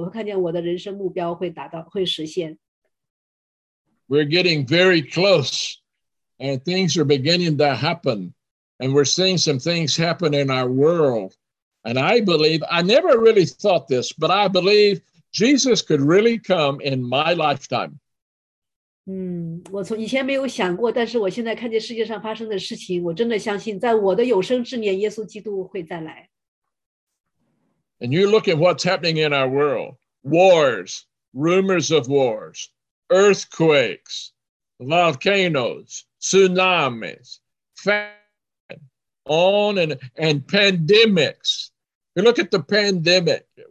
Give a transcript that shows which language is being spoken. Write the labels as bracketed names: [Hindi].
[Chinese] 在八年前有6000多个未籍福音未籍的民族群，但是现在今天所有这6000个族群都已经有机构有组织来认领这些民族，要给他们来传福音。我相信在我的有生之年，我会看见我的人生目标会达到会实现。 [English] We're getting very close, and things are beginning to happen, and we're seeing some things happen in our world. And I believe, I never really thought this, but I believe Jesus could really come in my lifetime. [Chinese] 我从以前没有想过，但是我现在看见世界上发生的事情，我真的相信，在我的有生之年，耶稣基督会再来。 [English] And you look at what's happening in our world. Wars, rumors of wars, earthquakes, volcanoes, tsunamis, famine, on and pandemics. You look at the pandemic.